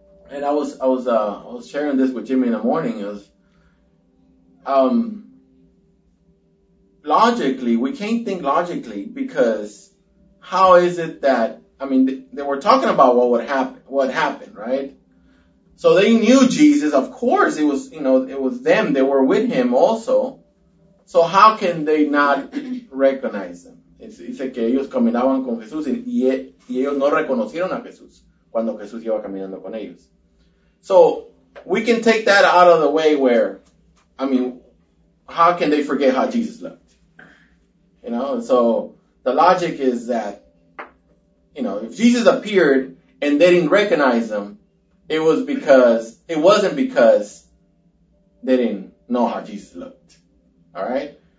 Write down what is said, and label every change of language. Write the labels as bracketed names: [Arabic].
[English] And I was sharing this with Jimmy in the morning. Is logically, we can't think logically, because how is it that, I mean, they were talking about what happened, right? So they knew Jesus, of course. It was, you know, it was them. They were with him also. So how can they not recognize him? [Spanish] Dice que ellos caminaban con Jesús y ellos no reconocieron a Jesús cuando Jesús iba caminando con ellos. [English] So we can take that out of the way where, I mean, how can they forget how Jesus looked? You know, so the logic is that, you know, if Jesus appeared and they didn't recognize him, it wasn't because they didn't know how Jesus looked. All right?